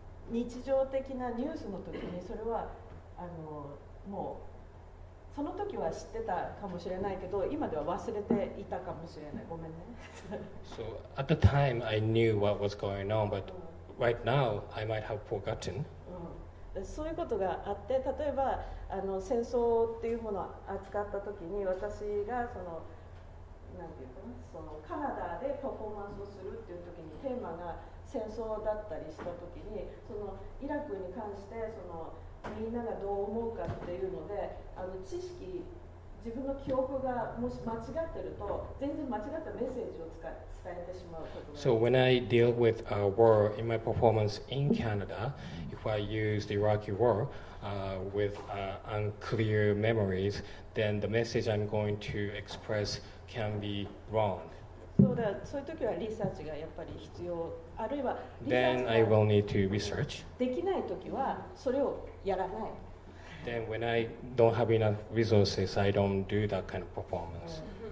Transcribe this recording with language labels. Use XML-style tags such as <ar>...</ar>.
<ja>日常的なニュースの時にそれはあのもうその時は知ってたかもしれないけど今では忘れていたかもしれないごめんね。</ja> <en>So at the time I knew what was going on, but right now I might have forgotten.</en> <ja>そういうことがあって例えばあの戦争っていうものを扱った時に私がそのなんていうかなそのカナダでパフォーマンスをするっていう時にテーマが戦争だったりしたときにそのイラクに関してそのみんながどう思うかっていうのであの知識自分の記憶がもし間違ってると全然間違ったメッセージを伝えてしまうことがある。</ja> <en>So when I deal with a war in my performance in Canada if I use the Iraqi war with unclear memories then the message I'm going to express can be wrong</en> <ja>そうだ、そういう時はリサーチがやっぱり必要、あるいは</ja> <en>Then I will need to research.</en> <ja>できない時はそれをやらない。</ja> <en>Then when I don't have enough resources, I don't do that kind of performance.</en>